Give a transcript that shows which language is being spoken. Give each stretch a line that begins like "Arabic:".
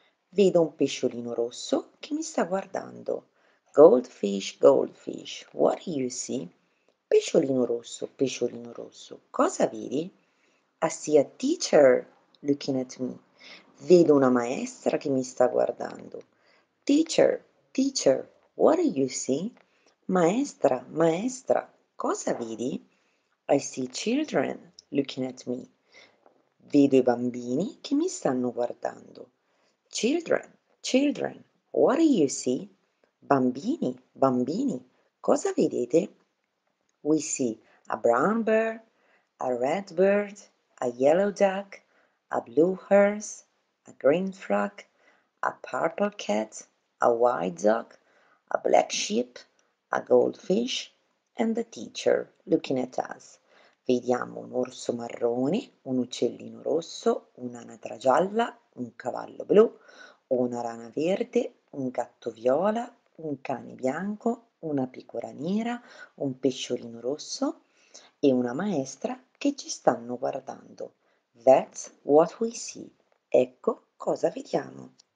Italian: Vedo un pesciolino rosso che mi sta guardando.
English: Goldfish, what do you see?
Italian: Pesciolino rosso, cosa vedi?
English: I see a teacher looking at me.
Italian: Vedo una maestra che mi sta guardando.
English: Teacher, what do you see?
Italian: Maestra, cosa vedi?
English: I see children looking at me.
Italian: Vedo i bambini che mi stanno guardando.
English: Children, what do you see?
Italian: Bambini, cosa vedete?
English: We see a brown bear, a red bird, a yellow duck, a blue horse, a green frog, a purple cat, a white dog, a black sheep, a goldfish, and the teacher looking at us.
Italian: Vediamo un orso marrone, un uccellino rosso, un'anatra gialla, un cavallo blu, una rana verde, un gatto viola, un cane bianco, una pecora nera, un pesciolino rosso e una maestra che ci stanno guardando.
English: That's what we see.
Italian: Ecco cosa vediamo.